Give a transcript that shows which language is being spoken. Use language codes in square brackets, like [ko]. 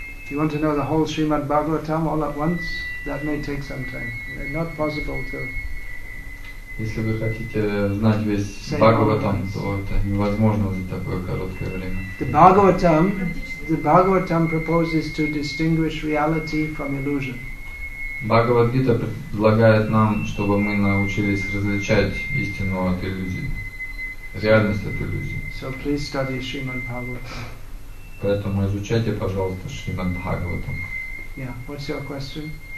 [en] You want to know the whole Srimad Bhagavatam all at once? That may take some time. It's not possible to. [ru] Если вы хотите знать весь Бхагаватам, то это невозможно за такое короткое время. [en] The Bhagavatam proposes to distinguish reality from illusion. [ru] Бхагавад-гита предлагает нам, чтобы мы научились различать истину от иллюзии, реальность от иллюзии. [en] So please study Shrimad Bhagavatam. [ru] Поэтому изучайте, пожалуйста, Шримад Бхагаватам. [en] Yeah, what's your question?